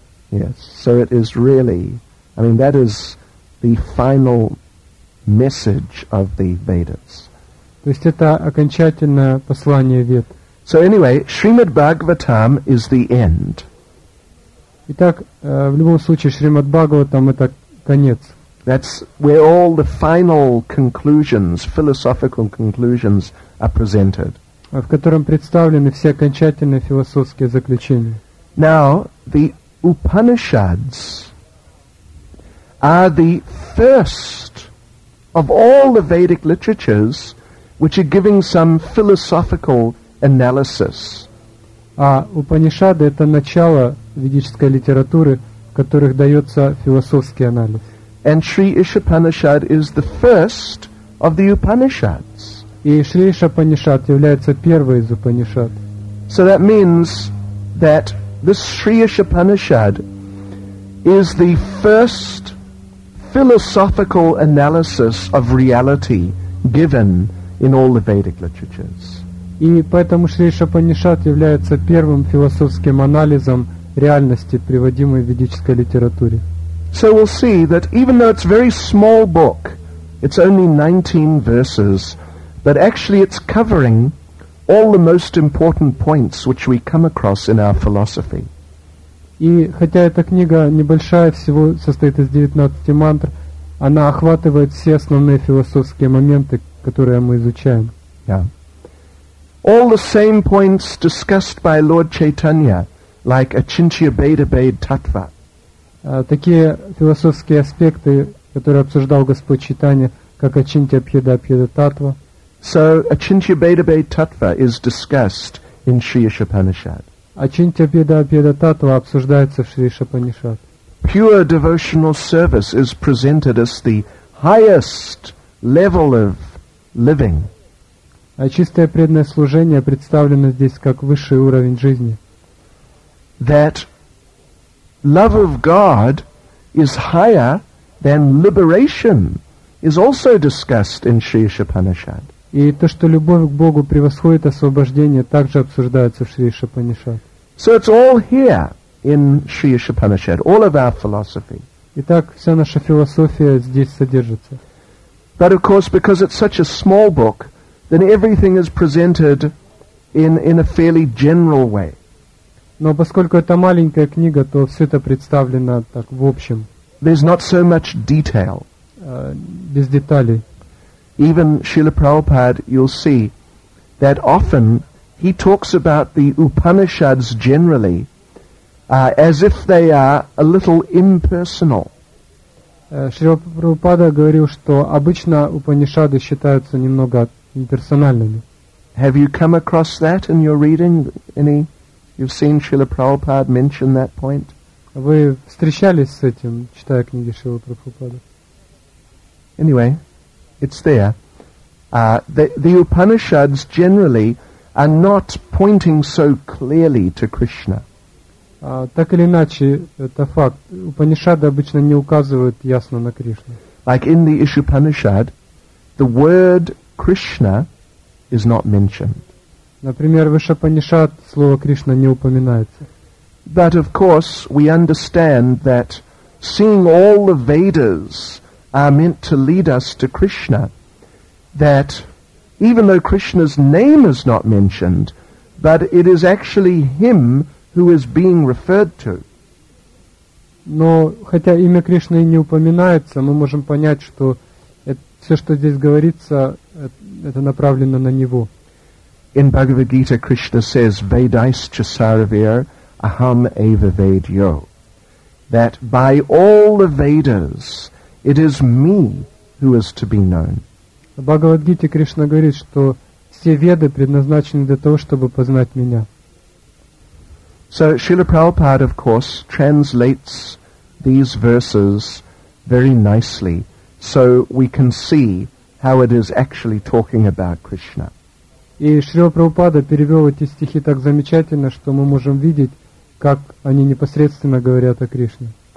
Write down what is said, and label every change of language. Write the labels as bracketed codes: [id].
[en] Yes, so it is really, I mean, that is the final message of the Vedas. [ru] То есть это окончательное послание Вед. [en] So anyway, Srimad Bhagavatam is the end. [ru] Итак, в любом случае, Шримад Бхагаватам — это конец. [en] That's where all the final conclusions, philosophical conclusions are presented. [ru] В котором представлены все окончательные философские заключения. [en] Now, the Upanishads are the first of all the Vedic literatures which are giving some philosophical analysis. [ru] А Упанишады — это начало ведической литературы, в которых дается философский анализ. [en] And Sri Ishapanishad is the first of the Upanishads. [ru] И Шри Ишапанишад является первой из Упанишад. [en] So that means that this Шри Ишапанишад is the first philosophical analysis of reality given in all the Vedic literatures. [ru] И поэтому Шри Ишапанишад является первым философским анализом реальности, приводимой в ведической литературе. [en] So we'll see that even though it's a very small book, it's only 19 verses, but actually it's covering all the most important points which we come across in our philosophy. [ru] И хотя эта книга небольшая, всего состоит из 19 мантр, она охватывает все основные философские моменты, которые мы изучаем. [en] Yeah. All the same points discussed by Lord Chaitanya, like Achintya Bheda Bheda Tattva. [ru] Такие философские аспекты, которые обсуждал Господь Чайтанья, как Ачинтья Бхеда Бхеда Таттва. [en] So, Ачинтья Бхеда Бхеда Таттва is discussed in Shri Ishapanishad. [ru] Ачинтья Бхеда Бхеда Таттва обсуждается в Шри Ишапанишад. [en] Pure devotional service is presented as the highest level of living. [ru] А чистое преданное служение представлено здесь как высший уровень жизни. [en] That love of God is higher than liberation is also discussed in Shri Ishapanishad. [ru] И то, что любовь к Богу превосходит освобождение, также обсуждается в Шри Ишапанишад. [en] So it's all here in Shri Ishapanishad, all of our philosophy. [ru] Итак, вся наша философия здесь содержится. [en] But of course, because it's such a small book, then everything is presented in a fairly general way. [ru] Но поскольку это маленькая книга, то все это представлено так, в общем. [en] There's not so much detail. [ru] Без деталей. [en] Even Srila Prabhupada, you'll see, that often he talks about the Upanishads generally as if they are a little impersonal. [ru] Шрила Прабхупада говорил, что обычно Упанишады считаются немного имперсональными. [en] Have you come across that in your reading, any... You've seen Srila Prabhupada mention that point? [ru] Вы встречались с этим, читая книги Шрилы Прабхупады? [en] Anyway, it's there. The Upanishads generally are not pointing so clearly to Krishna. [ru] Так или иначе, это факт. Упанишады обычно не указывают ясно на Кришну. [en] Like in the Ishupanishad, the word Krishna is not mentioned. [ru] Например, в Ишупанишад слово Кришна не упоминается. [en] But of course, we understand that seeing all the Vedas are meant to lead us to Krishna, that even though Krishna's name is not mentioned, but it is actually him who is being referred to. [ru] Но хотя имя Кришны и не упоминается, мы можем понять, что это, все, что здесь говорится, это направлено на него. [en] In Bhagavad Gita, Krishna says, [sa] "Vedais chasaravir, aham eva vedyo." [en] That by all the Vedas, it is me who is to be known. [ru] В Бхагавад Гите Кришна говорит, что все Веды предназначены для того, чтобы познать меня. [en] So Srila Prabhupada, of course, translates these verses very nicely, so we can see how it is actually talking about Krishna. [ru] И Шрила Прабхупада перевел эти стихи так замечательно, что мы можем видеть, как они непосредственно говорят о Кришне.